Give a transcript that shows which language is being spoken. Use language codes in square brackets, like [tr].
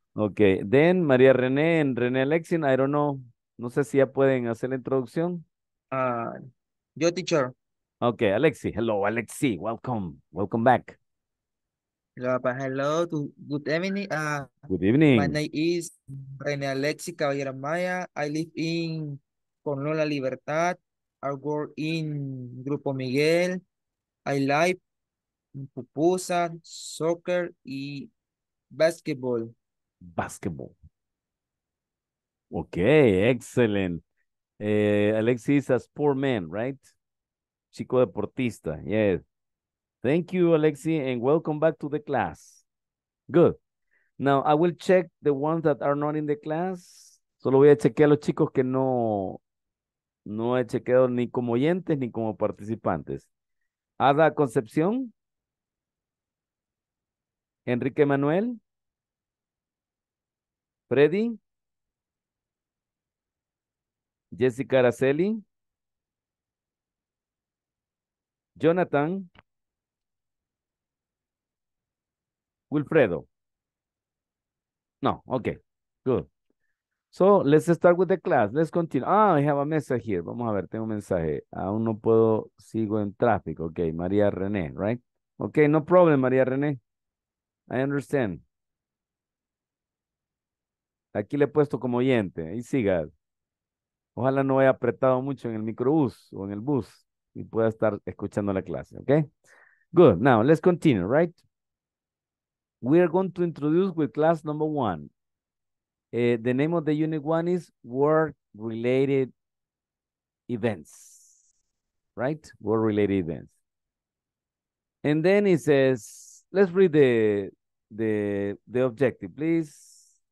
[en] Okay, then María René and René Alexin, I don't know. [es] No sé si ya pueden hacer la introducción. Yo, teacher. [en] Okay, Alexi. Hello, Alexi. Welcome. Welcome back. Hello. Good evening. Good evening. My name is René Alexi Caballero Maya. I live in Conlon La Libertad. I work in Grupo Miguel. I like pupusas, soccer, y basketball. Okay, excellent. Alexis is a sport man, right? [es] Chico deportista, yes. [en] Thank you, Alexi, and welcome back to the class. Good. Now, I will check the ones that are not in the class. [es] Solo voy a chequear a los chicos que no he chequeado ni como oyentes ni como participantes. Ada Concepción. Enrique Manuel. Freddy, Jessica Araceli, Jonathan, Wilfredo. [en] No, okay, good. So, let's start with the class. Let's continue. Ah, I have a message here. [es] Vamos a ver, tengo un mensaje. Aún no puedo, sigo en tráfico. [en] Okay, María René, right? Okay, no problem, María René. I understand. [es] Aquí le he puesto como oyente, ahí siga. Ojalá no haya apretado mucho en el microbús o en el bus y pueda estar escuchando la clase, ¿ok? [en] Good, now let's continue, right? We are going to introduce with class number one. The name of the unit one is work-related events, right? Work-related events. And then it says, let's read the objective, please.